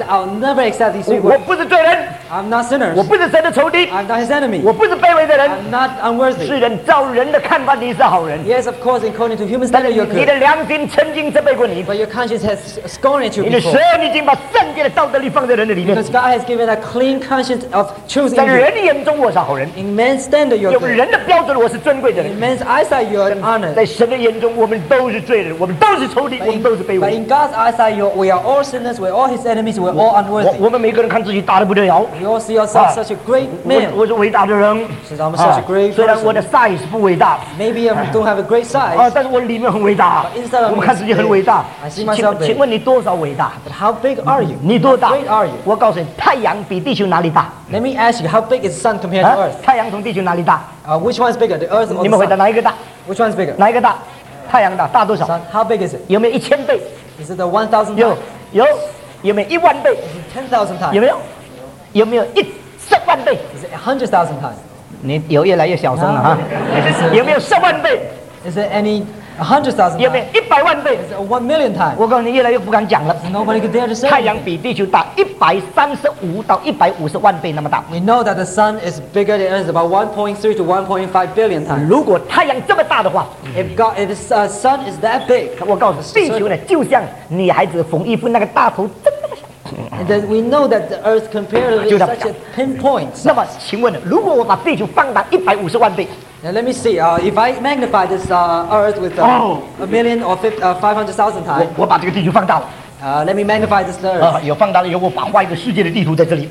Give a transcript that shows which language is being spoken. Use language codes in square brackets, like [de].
[en] ，I'll never accept these three words。 [zh] 我不是罪人。 [en] I'm not sinners. [zh] 我不是神的仇敌。 [en] I'm not his enemy. [zh] 我不是卑微的人。 [en] I'm not unworthy. [zh] 世人照人的看法，你是好人。 [en] Yes, of course, according to human standard, you're good. [zh] 你的良心曾经责备过你。 [en] But your conscience has scorned you before. [zh] 你的神已经把圣洁的道德力放在人的里面。 [en] Because God has given a clean conscience of choosing you. [zh] 在人眼中我是好人。 [en] In man's standard, you're good. [zh] 用人的标准，我是尊贵的人。 [en] In man's eyesight, you're honored. [zh] 在神的眼中，我们都是罪人，我们都是仇敌，我们都是卑微。 [en] But in God's eyesight, we are all sinners. We're all his enemies. We're all unworthy. [zh] 我们每个人看自己大得不得了。 [en] You all see yourself such a great man. [zh] 我是伟大的人。 [en] Since I'm such a great person. [zh] 虽然我的 size 不伟大。 [en] Maybe I don't have a great size. [zh] 但是我里面很伟大。 [en] But inside of me, [zh] 我看自己很伟大。 [en] I see myself big. [zh] 请问你多少伟大？ [en] But how big are you? [zh] 你多大？ [en] How great are you? [zh] 我告诉你，太阳比地球哪里大？ [en] Let me ask you, how big is the sun compared to earth? [zh] 太阳从地球哪里大？ [en] Which one is bigger, the earth or the sun? [zh] 你们回答哪一个大？ [en] Which one is bigger? [zh] 哪一个大？太阳大，大多少？ [en] Sun, how big is it? [zh] 有没有一千倍？ [en] Is it 1,000 times? [zh] 有。有没有一万倍？ [en] Is it 10,000 times? [zh] 有没有？有没有10,000 times? [en] Is it 100,000 times? [zh] 你有越来越小声了哈。有没有100,000 倍？ [en] Is it any 100,000 times? [zh] 有没有100,000 倍？ [en] Is it 1,000,000 times? [zh] 我告诉你，越来越不敢讲了。 [en] Nobody could dare to say. [zh] 太阳比地球大135到150万倍那么大。 [en] We know that the sun is bigger than Earth about 1.3 to 1.5 billion times. [zh] 如果太阳这么大的话 [en] ，If the sun is that big, [zh] 我告诉你，地球呢就像女孩子缝衣服那个大头。 [en] That we know that the Earth compared to such a pinpoint. [zh] 那么，请问，如果我把地球放大150万倍 [en] ？Now let me see. If I magnify this Earth with a million or 500,000 times, [zh] 我把这个地球放大了。 [en] Let me magnify this Earth. [zh] 有放大了以后，我把画一个世界的地图在这里。